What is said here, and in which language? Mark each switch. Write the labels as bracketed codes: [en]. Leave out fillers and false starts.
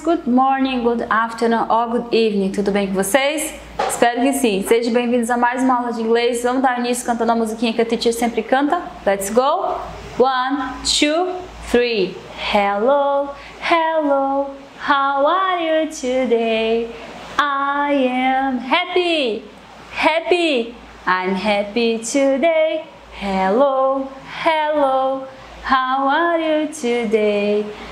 [en] Good morning, good afternoon or good evening. [pt] Tudo bem com vocês? Espero que sim. Sejam bem-vindos a mais uma aula de inglês. Vamos dar início cantando a musiquinha que a teacher sempre canta? [en] Let's go! 1, 2, 3. Hello, hello, how are you today? I am happy, happy, I'm happy today. Hello, hello, how are you today?